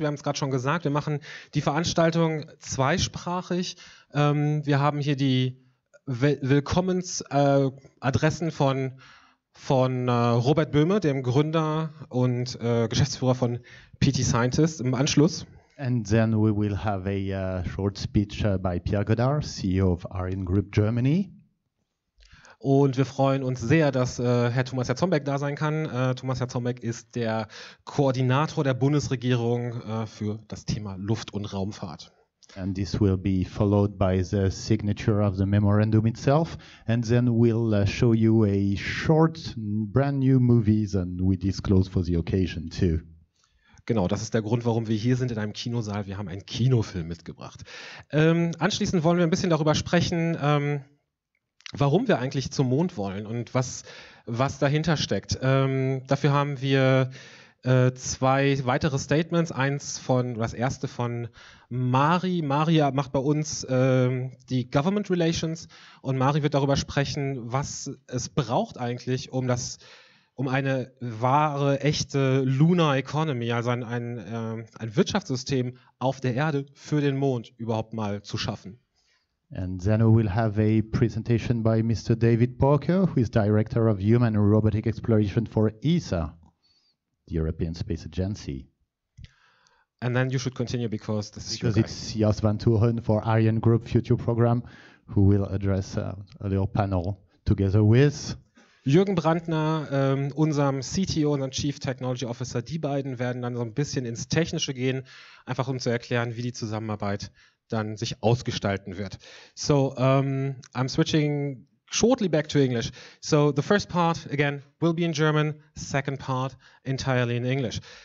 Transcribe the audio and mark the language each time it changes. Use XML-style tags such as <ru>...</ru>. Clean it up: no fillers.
<de>Wir haben es gerade schon gesagt, wir machen die Veranstaltung zweisprachig. Wir haben hier die Willkommensadressen von Robert Böhme, dem Gründer und Geschäftsführer von PT Scientist, im Anschluss.</de> <en>And then we will have a short speech by Pierre Godard, CEO of Ariane Group Germany.</en> <de>Und wir freuen uns sehr, dass Herr Thomas Herzombeck da sein kann. Thomas Herzombeck ist der Koordinator der Bundesregierung für das Thema Luft- und Raumfahrt.</de> <en>And this will be followed by the signature of the memorandum itself. And then we'll show you a short, brand new movie that we disclose for the occasion too.</en> <de>Genau, das ist der Grund, warum wir hier sind in einem Kinosaal. Wir haben einen Kinofilm mitgebracht. Anschließend wollen wir ein bisschen darüber sprechen, warum wir eigentlich zum Mond wollen und was dahinter steckt. Dafür haben wir zwei weitere Statements. Das erste von Mari. Maria macht bei uns die Government Relations und Mari wird darüber sprechen, was es braucht eigentlich, um eine wahre, echte Lunar Economy, also ein Wirtschaftssystem auf der Erde für den Mond überhaupt mal zu schaffen.</de> <en>And then we will have a presentation by Mr. David Parker, who is Director of Human and Robotic Exploration for ESA, the European Space Agency. And then you should continue because this because is your guy. It's Jos van Toorhen for Ariane Group Future Program, who will address a little panel together with</en> <de>Jürgen Brandner, unserem CTO und Chief Technology Officer. Die beiden werden dann so ein bisschen ins Technische gehen, einfach um zu erklären, wie die Zusammenarbeit dann sich ausgestalten wird.</de> <en>So, I'm switching shortly back to English. So, the first part, again, will be in German, second part, entirely in English.</en>